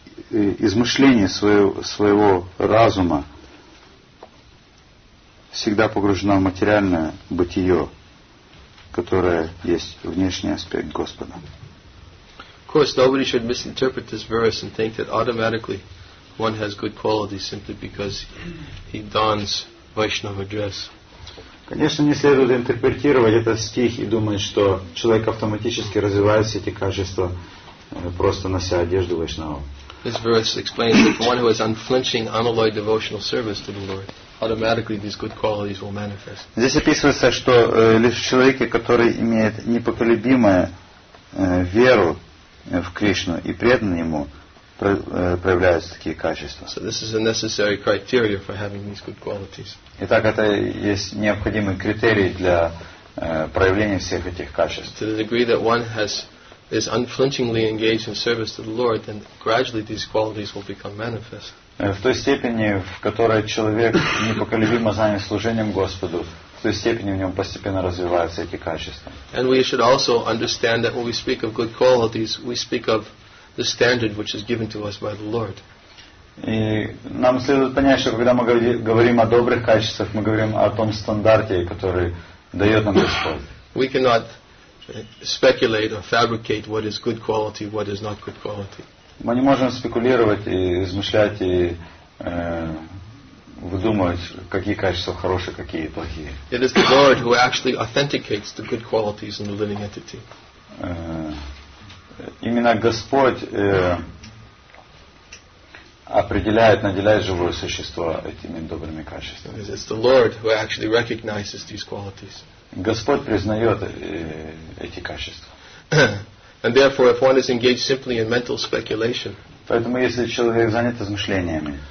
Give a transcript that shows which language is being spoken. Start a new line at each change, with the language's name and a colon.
Russian: измышления своего разума всегда погружена в материальное бытие, которое есть внешний аспект Господа.
English: Of course, nobody should misinterpret this verse and think that automatically one has good qualities simply because he dons Vaishnava dress.
Russian: Конечно, не следует интерпретировать этот стих и думать, что человек автоматически развивает эти качества, просто нося одежду Вайшнава.
English: This verse explains that for one who has unflinching unalloyed devotional service to the Lord, automatically these good qualities will manifest.
Russian: Здесь описывается, что лишь в человеке, который имеет непоколебимую веру в Кришну и преданный ему, проявляются такие качества.
English: So this is a necessary criteria for having these good qualities.
Russian: Итак, это есть необходимый критерий для проявления всех этих качеств.
English: To the degree that one is unflinchingly engaged in service to the Lord, then gradually these qualities will become manifest.
Russian: В той степени, в которой человек непоколебимо занят служением Господу, в той степени в нем постепенно развиваются эти качества.
English: And we should also understand that when we speak of good qualities, we speak of the standard which is given to us by the Lord.
Russian: И нам следует понять, что когда мы говорим о добрых качествах, мы говорим о том стандарте, который дает нам Господь.
English: We cannot speculate or fabricate what is good quality, what is not good quality.
Russian: Мы не можем спекулировать и измышлять и выдумывать, какие качества хорошие, какие плохие.
English: It is the Lord who actually authenticates the good qualities in the living entity.
Russian: Именно Господь определяет, наделяет живое существо этими добрыми качествами.
English: It is the Lord who actually recognizes these qualities.
Russian: Господь признает эти качества.
English: And therefore, if one is engaged simply in mental speculation,
Russian: поэтому если человек занят размышлениями,